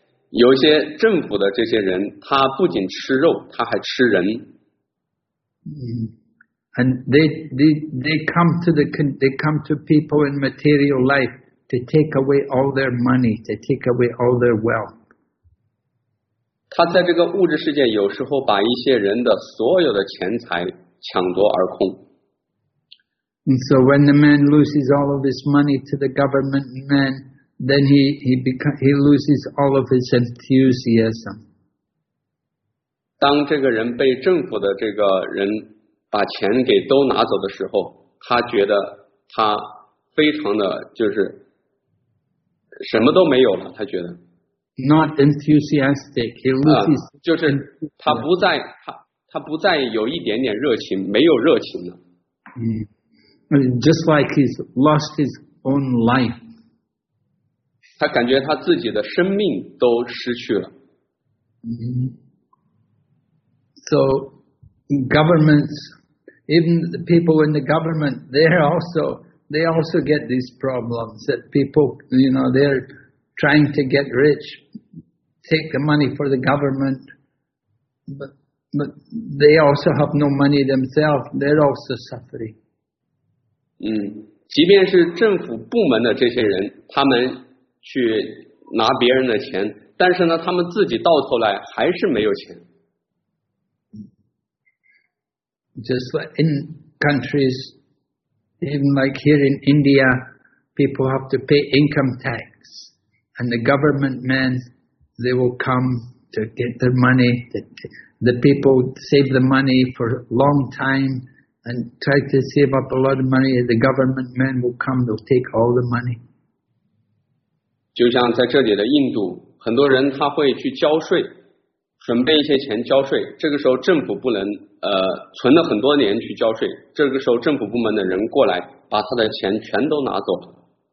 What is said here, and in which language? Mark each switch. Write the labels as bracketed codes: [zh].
[zh] 有些政府的这些人，他不仅吃肉，他还吃人。 [en] And they come to people in material life to take away all their money, to take away all their wealth. [zh] 他在这个物质世界有时候把一些人的所有的钱财抢夺而空。 [en] And so when the man loses all of his money to the government man, then he loses all of his enthusiasm. [zh] 当这个人被政府的这个人把钱给都拿走的时候，他觉得他非常的就是什么都没有了，他觉得。 [en] Not enthusiastic, he loses. [zh] 就是他不再有一点点热情，没有热情了。 [en] 嗯。Just like he's lost his own life. [zh] 他感觉他自己的生命都失去了。 Mm-hmm. [en] So, governments, even the people in the government, they also get these problems that people, you know, they're trying to get rich, take the money for the government, but they also have no money themselves, they're also suffering. [zh] 即便是政府部门的这些人，他们去拿别人的钱，但是呢，他们自己到头来还是没有钱。 [en] Just like in countries, even like here in India, people have to pay income tax, and the government men, they will come to get their money. The people save the money for a long time. And try to save up a lot of money. The government men will come. They'll take all the money. [zh] 就像在这里的印度，很多人他会去交税，准备一些钱交税。这个时候政府不能存了很多年去交税。这个时候政府部门的人过来，把他的钱全都拿走。